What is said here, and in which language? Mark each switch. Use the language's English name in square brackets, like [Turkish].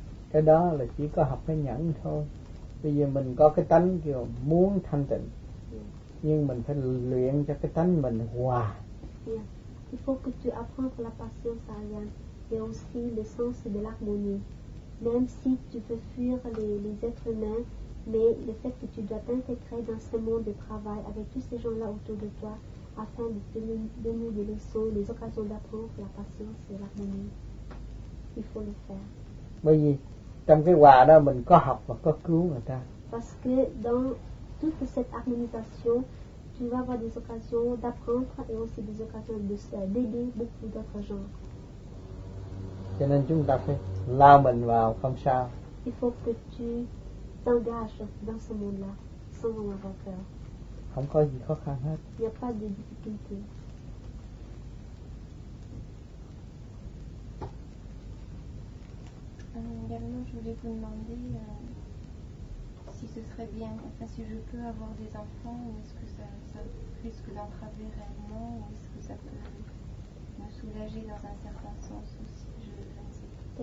[Vietnamese] Cái đó là chỉ có học cái nhẫn thôi. Bây giờ mình có cái tánh kiểu muốn thanh tịnh, nhưng mình phải luyện cho cái tánh mình hòa. [French] Il faut que tu apprennes la patience à rien et aussi le sens de l'harmonie. Même si tu peux fuir les êtres humains, mais le fait que tu dois t'intégrer dans ce monde de travail avec tous ces gens-là autour de toi afin de te donner des leçons, les occasions d'apprendre la patience et l'harmonie. Il faut le faire. Oui. [Vietnamese] Trong cái hòa đó mình có học và có cứu người ta. [French] Parce que dans toute cette harmonisation, tu vas avoir des occasions d'apprendre et aussi des occasions de d'aider beaucoup d'autres gens. [Vietnamese] Cho nên chúng ta phải lao mình vào không sao. [French] Il faut que tu t'engages dans ce monde-là, sans en avoir peur. [Vietnamese] Không có gì khó khăn hết. [French] Il n'y a pas de difficulté. Également, je voulais vous demander si ce serait bien, enfin si je peux avoir des enfants, ou est-ce que ça risque d'entraver réellement, ou est-ce que ça peut me soulager dans un certain sens aussi, je ne sais pas.